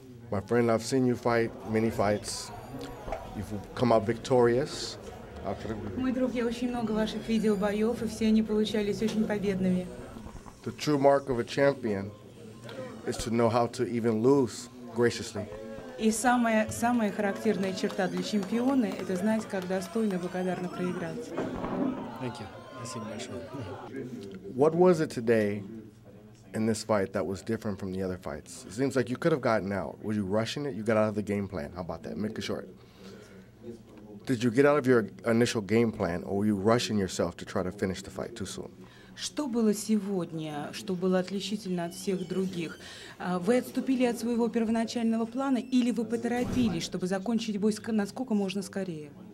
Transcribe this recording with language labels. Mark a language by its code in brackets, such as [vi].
[en] My friend, I've seen you fight many fights. You've come out victorious. [ru] Мой друг, я очень много ваших видео боев, и все они получались очень победными. [en] The true mark of a champion is to know how to even lose graciously. [ru] И самая характерная черта для чемпиона – это знать, как достойно благодарно проиграть. [en] Thank you. [ru] Спасибо большое. [en] What was it today in this fight that was different from the other fights? It seems like you could have gotten out. Were you rushing it? You got out of the game plan. How about that? Make it short. Did you get out of your initial game plan, or were you rushing yourself to try to finish the fight too soon? [ru] Что было сегодня, что было отличительно от всех других? Вы отступили от своего первоначального плана или вы поторопились, чтобы закончить бой насколько можно скорее?